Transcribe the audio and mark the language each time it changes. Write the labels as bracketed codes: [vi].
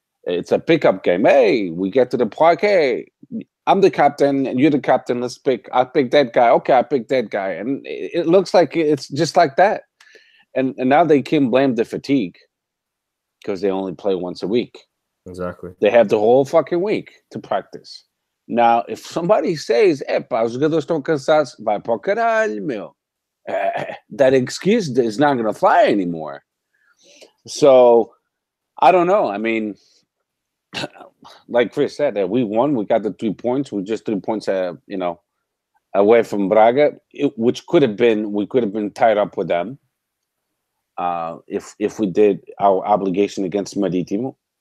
[en] It's a pickup game. Hey, we get to the park. Hey, I'm the captain and you're the captain. Let's pick. I pick that guy. Okay, I pick that guy. And it looks like it's just like that. And now they can blame the fatigue because they only play once a week. Exactly. They have the whole fucking week to practice. Now, if somebody says, [pt] epa, os jogadores estão cansados, vai para o caralho, meu. [en] That excuse is not going to fly anymore. So, I don't know. I mean, like Chris said, that we won, we got the 3 points. We're just 3 points, you know, away from Braga, which could have been, we could have been tied up with them if we did our obligation against Marítimo.